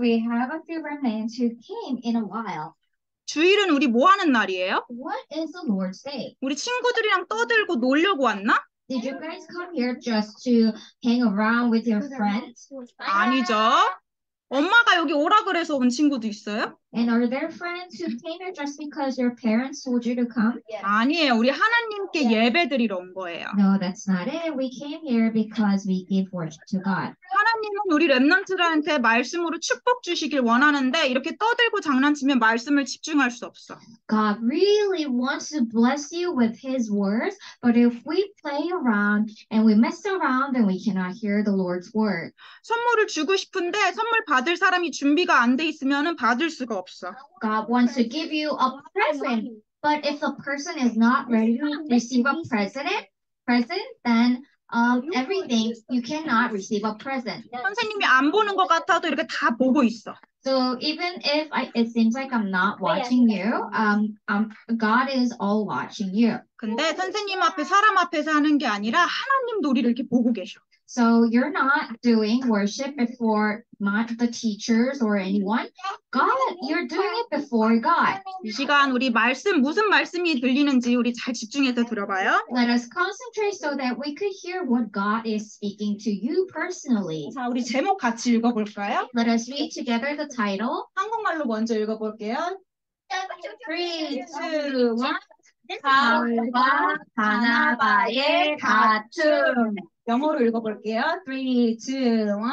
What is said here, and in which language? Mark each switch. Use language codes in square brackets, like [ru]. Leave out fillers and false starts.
[en] We have a few remnants who came in a while. [ko] 주일은 우리 뭐 하는 날이에요? [en] What is the Lord's Day? [ko] 우리 친구들이랑 떠들고 놀려고 왔나? [en] Did you guys come here just to hang around with your friends? [ko] 아니죠. 엄마가 여기 오라 그래서 온 친구도 있어요? [en] And are there friends who came here just because your parents told you to come? Yes. [ko] 아니에요. 우리 하나님께 [en] yes. [ko] 예배드리러 온 거예요. [en] No, that's not it. We came here because we give worship to God. [ko] 하나님은 우리 렘넌트들한테 말씀으로 축복 주시길 원하는데 이렇게 떠들고 장난치면 말씀을 집중할 수 없어. [en] God really wants to bless you with his words, but if we play around and we mess around, then we cannot hear the Lord's word. [ko] 선물을 주고 싶은데 선물 받을 사람이 준비가 안 돼 있으면은 받을 수가 없어. [en] God wants to give you a present, but if the person is not ready to receive a present, then everything, you cannot receive a present. [ko] 선생님이 안 보는 것 같아도 이렇게 다 보고 있어. [en] So even if it seems like I'm not watching you, God is all watching you. [ko] 근데 선생님 앞에 사람 앞에서 하는 게 아니라 하나님도 우리를 이렇게 보고 계셔. [en] So you're not doing worship before not the teachers or anyone. God, you're doing it before God. [ko] 이 시간 우리 말씀 무슨 말씀이 들리는지 우리 잘 집중해서 들어봐요. [en] Let us concentrate so that we could hear what God is speaking to you personally. [ko] 자, 우리 제목 같이 읽어볼까요? [en] Let us read together the title. [ko] 한국말로 먼저 읽어볼게요. 3, 2, 1. 바울과 바나바의 다툼. 영어로 읽어볼게요. 3, 2, 1.